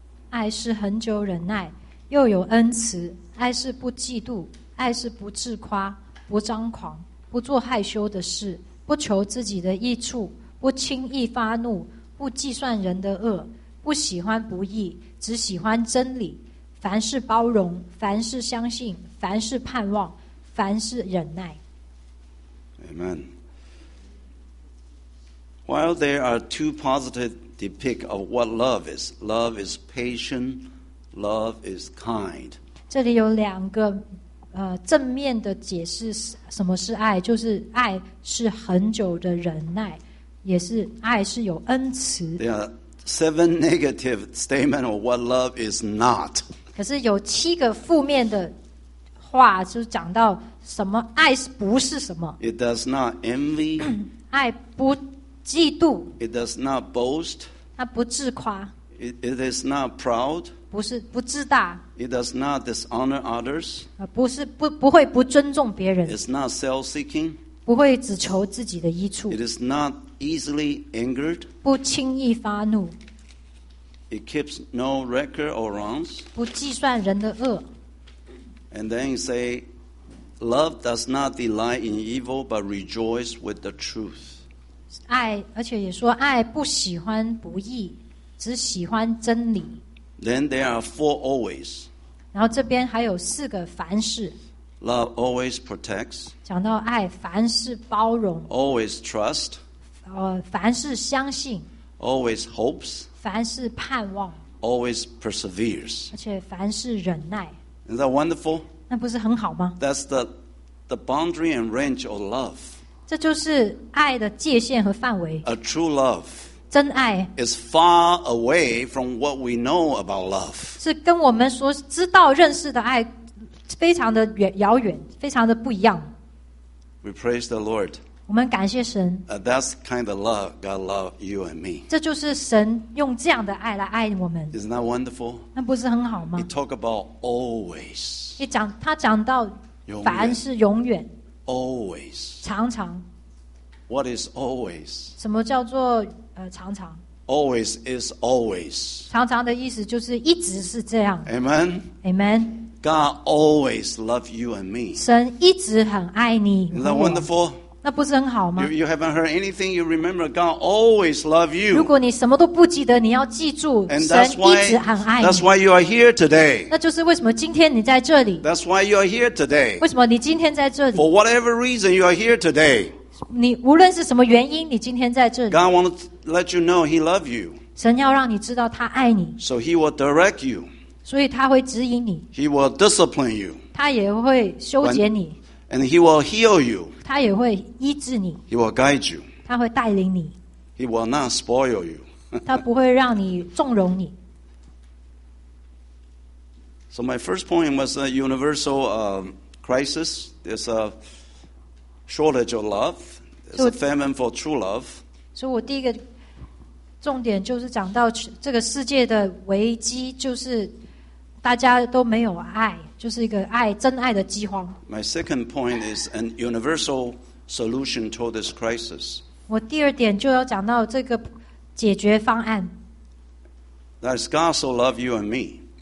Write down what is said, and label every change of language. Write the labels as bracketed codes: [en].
[zh] 爱是恒久忍耐，又有恩慈。爱是不嫉妒，爱是不自夸，不张狂，不做害羞的事，不求自己的益处，不轻易发怒，不计算人的恶，不喜欢不义，只喜欢真理。凡事包容，凡事相信，凡事盼望，凡事忍耐。 [en] Amen. While there are two positive depict of what love is patient, love is kind. [zh] 这里有两个正面的解释什么是爱，就是爱是恒久的忍耐，也是爱是有恩慈。 [en] There are seven negative statements of what love is not. [zh] 可是有七个负面的话，就是讲到什么爱不是什么。 [en] It does not envy. [zh] 爱不嫉妒。 [en] It does not boast. [zh] 他不自夸。 [en] It is not proud. [zh] 不是不自大。 [en] It does not dishonor others. [zh] 不是不不会不尊重别人。 [en] It's not self-seeking. [zh] 不会只求自己的益处。 [en] It is not easily angered. [zh] 不轻易发怒。 [en] It keeps no record or wrongs. [zh] 不计算人的恶。 [en] And then you say, love does not delight in evil, but rejoices with the truth. [zh] 爱，而且也说爱不喜欢不义。只喜欢真理。 [en] Then there are four always. [zh] 然后这边还有四个凡事。 [en] Love always protects. [zh] 讲到爱，凡事包容。 [en] Always trust. [zh] 凡事相信。 [en] Always hopes. [zh] 凡事盼望。 [en] Always perseveres. [zh] 而且凡事忍耐。 [en] Isn't that wonderful? [zh] 那不是很好吗？ [en] That's the boundary and range of love. [zh] 这就是爱的界限和范围。 [en] A true love. [zh] 真爱 [en] is far away from what we know about love. [zh] 是跟我们所知道认识的爱非常的遥远，非常的不一样。 [en] We praise the Lord. [zh] 我们感谢神。 [en] That's kind of love God loves you and me. [zh] 这就是神用这样的爱来爱我们。 [en] Isn't that wonderful? [zh] 那不是很好吗？ [en] He talk about always. [zh] 他讲到凡是永远。 [en] Always. [zh] 常常。 [en] What is always? [zh] 什么叫做常常 [en] always is always [zh] 常常的意思就是一直是这样 [en] Amen Amen God always loves you and me [zh] 神一直很爱你 [en] Isn't that wonderful [zh] 那不是很好吗 [en] you haven't heard anything you remember God always loves you [zh] 如果你什么都不记得你要记住 [en] and that's why, [zh] 神一直很爱你 [en] that's why you are here today [zh] 那就是为什么今天你在这里 [en] that's why you are here today [zh] 为什么你今天在这里 [en] for whatever reason you are here today [zh] 你无论是什么原因你今天在这里 [en] God wants to let you know he loves you [zh] 神要让你知道他爱你 [en] So he will direct you [zh] 所以他会指引你 [en] He will discipline you [zh] 他也会修剪你 [en] And he will heal you [zh] 他也会医治你 [en] He will guide you [zh] 他会带领你 [en] He will not spoil you [zh] 他不会让你纵容你 [en] So my first point was a universal crisis There's a shortage of love It's a famine for true love. [zh] 所以我第一个重点就是讲到这个世界的危机，就是大家都没有爱，就是一个爱真爱的饥荒。 [en] My second point is an universal solution to this crisis. [zh] 我第二点就要讲到这个解决方案。 [en] That is God so loves you and me.